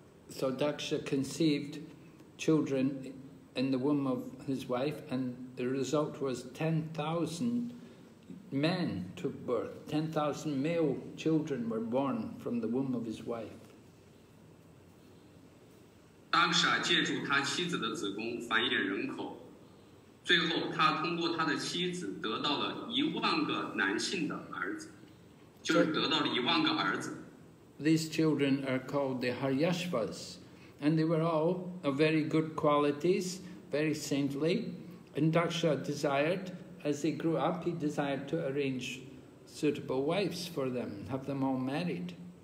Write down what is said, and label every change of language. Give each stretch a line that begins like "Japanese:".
English: So Daksha conceived children in the womb of his wife, and the result was 10,000 men took birth. 10,000 male children were born from the womb of his wife.
Chinese: Daksha 借助他妻子的子宫繁衍人口，最后他通过他的妻子得到了一万个男性的儿子，就是得到了一万个儿子。
English: These children are called the Haryashvas, and they were all of very good qualities, very saintly. And Daksha desired, as they grew up, he desired to arrange suitable wives for them, have them all married.